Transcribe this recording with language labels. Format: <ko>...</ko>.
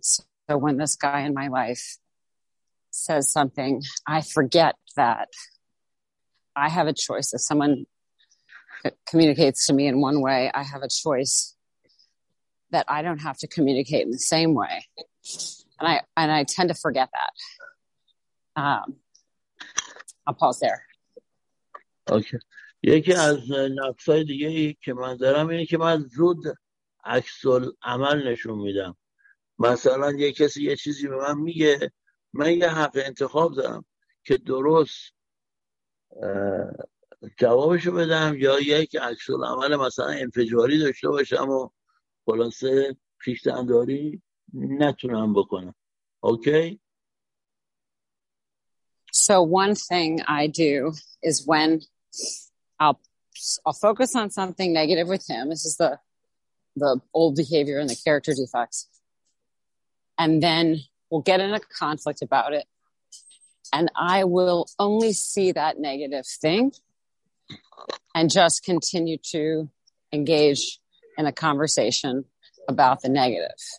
<en>So when this guy in my life says something, I forget that I have a choice. If someone communicates to me in one way, I have a choice that I don't have to communicate in the same way. And I tend to forget that. I'll pause there. Okay.</en> <fa>یکی از نقصای دیگه ای که من دارم اینه که من زود عکس العمل نشون میدم. مثلا یه کسی یه چیزی به من میگه، من یه حق انتخاب دارم که درست جوابشو بدم یا یک عکس العمل مثلا انفجاری داشته باشم و خلاصه پیش‌دندانی نتونم بکنم. اوکی.</fa> <en>So one thing I do is when I'll focus on something negative with him. This is the old behavior and the character defects. And then we'll get in a conflict about it. And I will only see that negative thing and just continue to engage in a conversation about the negative.</en>